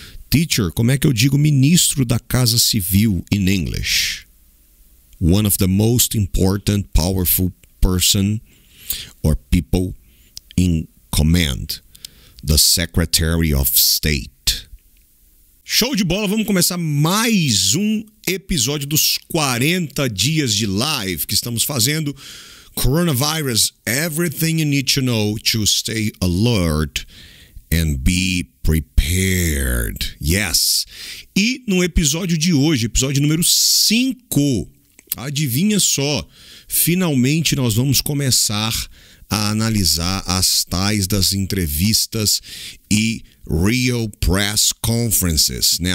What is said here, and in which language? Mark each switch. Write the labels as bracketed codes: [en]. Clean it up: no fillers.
[pt] Teacher, como é que eu digo ministro da Casa Civil [en] in English? One of the most important, powerful person or people in command. The Secretary of State. [pt] Show de bola, vamos começar mais um episódio dos 40 dias de live que estamos fazendo. [en] Coronavirus, everything you need to know to stay alert and be prepared. Yes. [pt] E no episódio de hoje, episódio número 5, adivinha só, finalmente nós vamos começar a analisar as tais das entrevistas e [en] real press conferences, [pt] né?